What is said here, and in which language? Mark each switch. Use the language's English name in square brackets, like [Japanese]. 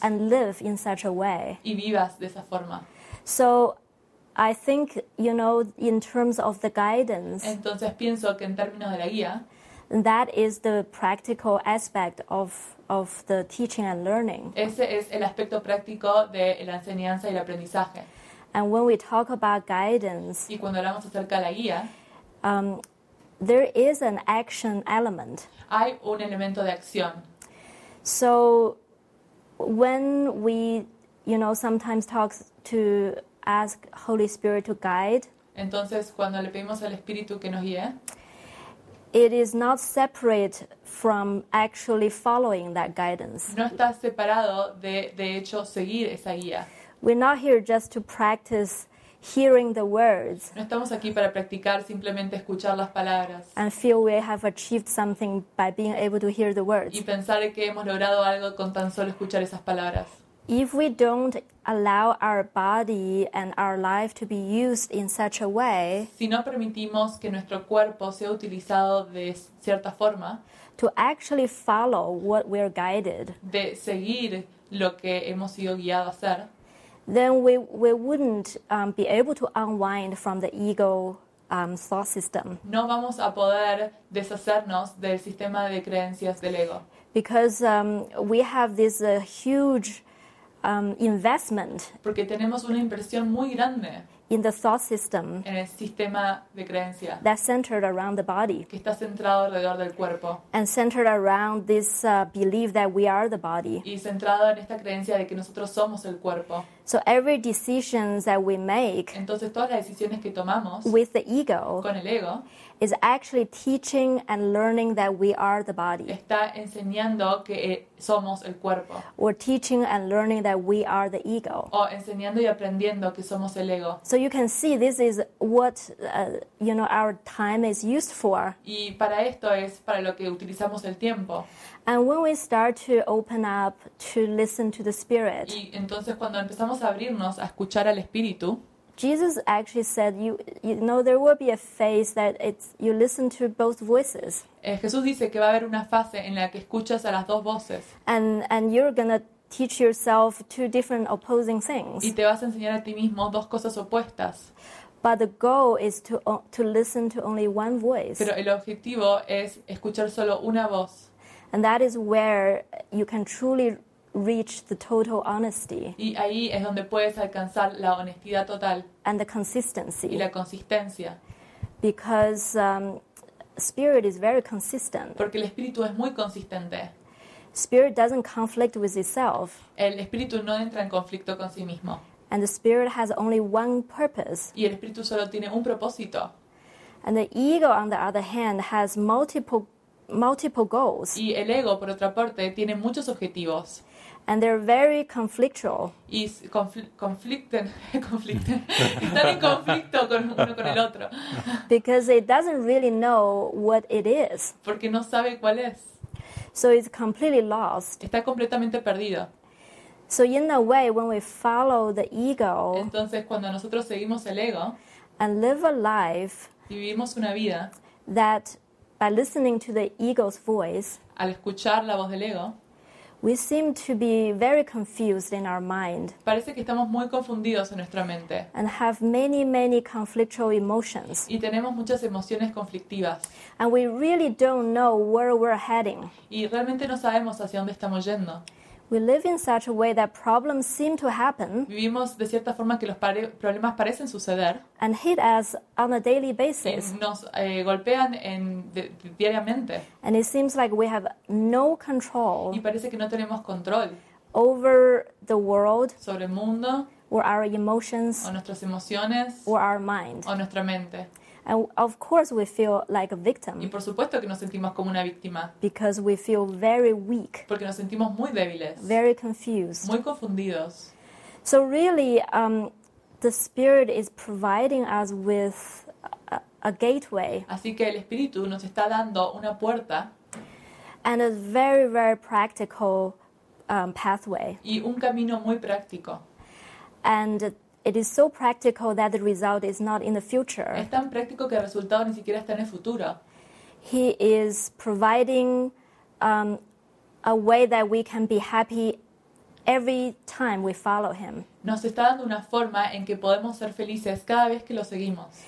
[English] and live in such a way, [Spanish] y vivas de esa forma. [English] So, I think you know, in terms of the guidance, [Spanish] entonces pienso que en términos de la guía, [English] that is the practical aspect of the teaching and learning. [Spanish] Ese es el aspecto práctico de la enseñanza y el aprendizaje. [English] And when we talk about guidance, [Spanish] y cuando hablamos acerca de la guía, [English] there is an action element. [Spanish] Hay un elemento de acción. [English] So when we, you know, sometimes talk to ask Holy Spirit to guide. [Spanish] Entonces, cuando le pedimos al Espíritu que nos guíe, [English] it is not separate from actually following that guidance. [Spanish] No está separado de hecho seguir esa guía. [English] We're not here just to practice hearing the words. [Spanish] No estamos aquí para practicar, simplemente escuchar las palabras. [English] And feel we have achieved something by being able to hear the words. [Spanish] Y pensar que hemos logrado algo con tan solo escuchar esas palabras. [English] If we don't allow our body and our life to be used in such a way, [Spanish] si no permitimos que nuestro cuerpo sea utilizado de cierta forma, [English] to actually follow what we are guided, [Spanish] de seguir lo que hemos sido guiados a hacer, [English] then we wouldn't be able to unwind from the ego thought system. [Spanish] No vamos a poder deshacernos del sistema de creencias del ego. [English] Because we have this huge investment. [Spanish] Porque tenemos una inversión muy grande. [English] In the thought system. [Spanish] En el sistema de creencias. [English] That's centered around the body. [Spanish] Que está centrado alrededor del cuerpo. [English] And centered around this belief that we are the body. [Spanish] Y centrado en esta creencia de que nosotros somos el cuerpo. [English] So every decisions that we make, [Spanish] entonces todas las decisiones que tomamos, [English] with the ego, [Spanish] con el ego, [English] is actually teaching and learning that we are the body. [Spanish] Está enseñando que somos el cuerpo. [English] We're teaching and learning that we are the ego. [Spanish] O enseñando y aprendiendo que somos el ego. [English] So you can see this is what you know our time is used for. [Spanish] Y para esto es para lo que utilizamos el tiempo. [English] And when we start to open up to listen to the spirit. [Spanish] Y entonces cuando empezamos a abrirnos a escuchar al espíritu. [English] Jesus actually said, you know, there will be a phase that it's you listen to both voices. [Spanish] Jesús dice que va a haber una fase en la que escuchas a las dos voces. [English] And you're gonna teach yourself two different opposing things. [Spanish] Y te vas a enseñar a ti mismo dos cosas opuestas. [English] But the goal is to listen to only one voice. [Spanish] Pero el objetivo es escuchar solo una voz. [English] And that is where you can truly reach the total honesty. [Spanish] Y ahí es donde puedes alcanzar la honestidad total. [English] And the consistency. [Spanish] Y la consistencia. [English] Because spirit is very consistent. [Spanish] Porque el espíritu es muy consistente. [English] Spirit doesn't conflict with itself. [Spanish] El espíritu no entra en conflicto con sí mismo. [English] And the spirit has only one purpose. [Spanish] Y el espíritu solo tiene un propósito. [English] And the ego, on the other hand, has multiple goals. [Spanish] Y el ego, por otra parte, tiene muchos objetivos. [English] And they're very conflictual. [Spanish] Y conflicten. Están en conflicto con uno con el otro. [English] Because it doesn't really know what it is. [Spanish] Porque no sabe cuál es. [English] So it's completely lost. [Spanish] Está completamente perdido. [English] So in a way, when we follow the ego. [Spanish] Entonces, cuando nosotros seguimos el ego. [English] And live a life. [Spanish] Y vivimos una vida. [English] That by listening to the ego's voice. [Spanish] Al escuchar la voz del ego. [English] We seem to be very confused in our mind. [Spanish] Parece que estamos muy confundidos en nuestra mente. [English] And have many, many conflictual emotions. [Spanish] Y tenemos muchas emociones conflictivas. [English] And we really don't know where we're heading. [Spanish] Y realmente no sabemos hacia dónde estamos yendo. [English] We live in such a way that problems seem to happen. [Spanish] Vivimos de cierta forma que los problemas parecen suceder. [English] And hit us on a daily basis. [Spanish] Nos golpean diariamente. [English] And it seems like we have no control. [Spanish] Y parece que no tenemos control. [English] Over the world. [Spanish] Sobre el mundo. [English] Or our emotions. [Spanish] O nuestras emociones. [English] Or our mind. [Spanish] O nuestra mente. [English] And of course we feel like a victim. [Spanish] Y por supuesto que nos sentimos como una víctima. [English] Because we feel very weak. [Spanish] Porque nos sentimos muy débiles. [English] Very confused. [Spanish] Muy confundidos. [English] So really, the spirit is providing us with a gateway. [Spanish] Así que el espíritu nos está dando una puerta. [English] And a very, very practical pathway. [Spanish] Y un camino muy práctico. [English] And it is so practical that the result is not in the future. [Spanish] Es tan práctico que el resultado ni siquiera está en el futuro. [English] He is providing a way that we can be happy every time we follow him. [Spanish] Nos está dando una forma en que podemos ser felices cada vez que lo seguimos.